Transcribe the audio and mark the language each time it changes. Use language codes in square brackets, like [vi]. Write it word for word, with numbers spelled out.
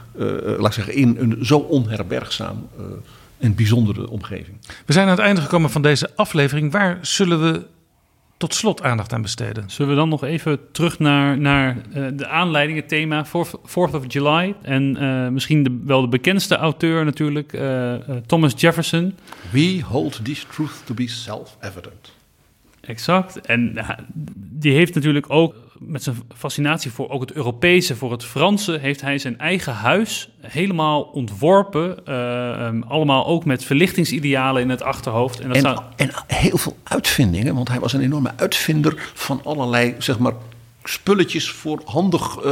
[nl] Uh, laat ik zeggen, in een zo onherbergzaam uh, en bijzondere omgeving. We zijn aan het einde gekomen van deze aflevering. Waar zullen we tot slot aandacht aan besteden? Zullen we dan nog even terug naar, naar uh, de aanleiding, het thema, fourth of July. En uh, misschien de, wel de bekendste auteur natuurlijk, uh, uh, Thomas Jefferson. [en] We hold this truth to be self-evident. [nl] Exact. En uh, die heeft natuurlijk ook met zijn fascinatie voor ook het Europese, voor het Franse, heeft hij zijn eigen huis helemaal ontworpen. Uh, um, allemaal ook met verlichtingsidealen in het achterhoofd. En, dat en, zou... en heel veel uitvindingen, want hij was een enorme uitvinder van allerlei, zeg maar, spulletjes voor handig uh,